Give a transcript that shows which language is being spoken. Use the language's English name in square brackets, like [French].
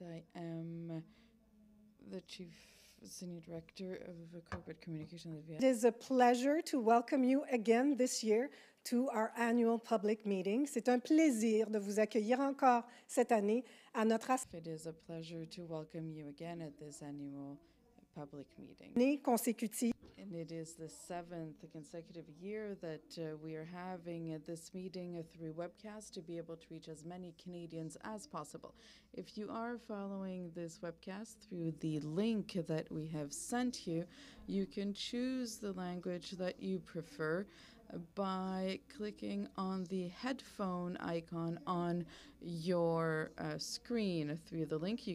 [English] I am the chief senior director of corporate communication. It is a pleasure to welcome you again this year to our annual public meeting. [French] C'est un plaisir de vous accueillir encore cette année à notre [English] It is a pleasure to welcome you again at this annual public meeting. And it is the seventh consecutive year that we are having this meeting through webcast to be able to reach as many Canadians as possible. If you are following this webcast through the link that we have sent you, you can choose the language that you prefer by clicking on the headphone icon on your screen through the link.